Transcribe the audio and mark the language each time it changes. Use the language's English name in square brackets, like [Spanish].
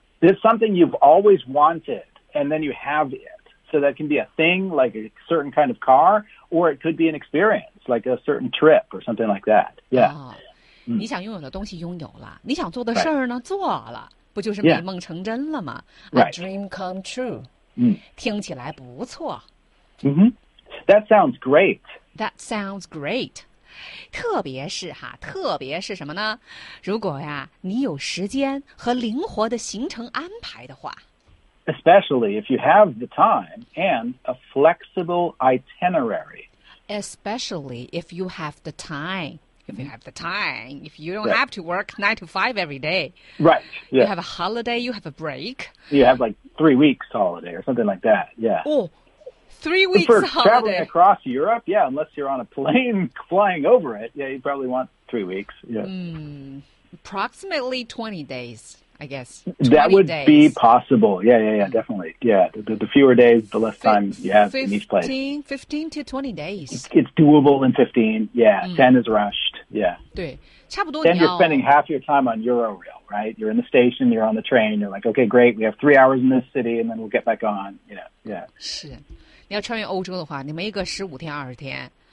[English] It's something you've always wanted And then you have it So that can be a thing Like a certain kind of car Or it could be an experience Like a certain trip Or something like that Yeah、 [Chinese] 你想拥有的东西拥有了你想做的事儿呢、做了不就是美梦成真了吗 [English] yeah, ？A、 right. dream come true、 [Chinese] 听起来不错。 [English] That sounds great. That sounds great. [Chinese] 特别是哈，特别是什么呢？如果呀，你有时间和灵活的行程安排的话。 [English] Especially if you have the time and a flexible itinerary. Especially if you have the time. If you have the time, if you don't、have to work 9 to 5 every day. Right.、 You have a holiday, you have a break. You have like 3 weeks holiday or something like that. Yeah. Oh, 3 weeks for holiday. For traveling across Europe, yeah, unless you're on a plane flying over it, yeah, you probably want 3 weeks. Yeah. Approximately 20 days, I guess. That would days. Be possible. Yeah, definitely. Yeah, the fewer days, the less time you have in each place. 15 to 20 days. It's doable in 15. Yeah, 10 is rushed. Yeah. [Chinese] 对,差不多 [English] Then you're spending half your time on Eurorail, right? You're in the station, you're on the train, you're like, okay, great, we have 3 hours in this city, and then we'll get back on. Yeah. [Chinese] 是,你要穿越欧洲的话,你没一个15天,20天,